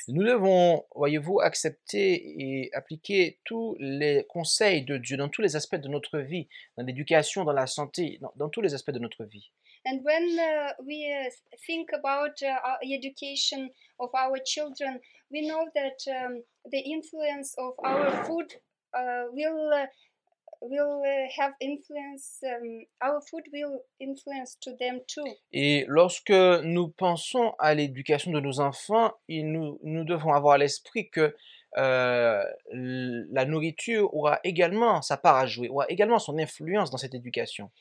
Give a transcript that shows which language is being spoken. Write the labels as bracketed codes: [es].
[fr] Nous devons, voyez-vous, accepter et appliquer tous les conseils de Dieu dans tous les aspects de notre vie, dans l'éducation, dans la santé, dans tous les aspects de notre vie. [en] And when we think about our education of our children, we know that the influence of our food will have influence. Our food will influence to them too. [fr] Et lorsque nous pensons à l'éducation de nos enfants, nous devons avoir à l'esprit que la nourriture aura également sa part à jouer, aura également son influence dans cette éducation.